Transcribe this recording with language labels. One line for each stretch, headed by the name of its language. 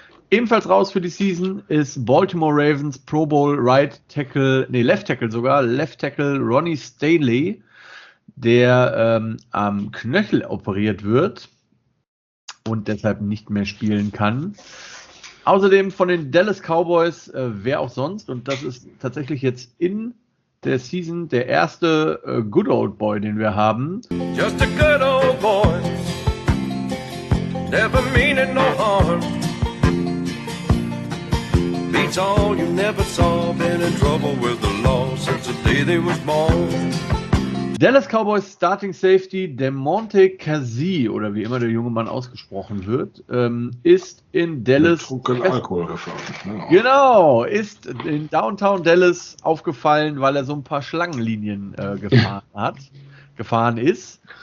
German: Ebenfalls raus für die Season ist Baltimore Ravens Pro Bowl Left Tackle Ronnie Stanley, der am Knöchel operiert wird und deshalb nicht mehr spielen kann. Außerdem von den Dallas Cowboys, wer auch sonst, und das ist tatsächlich jetzt in der Season der erste Good Old Boy, den wir haben.
English: Just a good old boy, never meaning no harm. Beats all you never saw, been in trouble with the law since the day they was born.
German: Dallas Cowboys Starting Safety DeMonte Kazee, oder wie immer der junge Mann ausgesprochen wird, ist in Dallas. Trunken Alkohol gefahren. Genau, ist in Downtown Dallas aufgefallen, weil er so ein paar Schlangenlinien gefahren ist.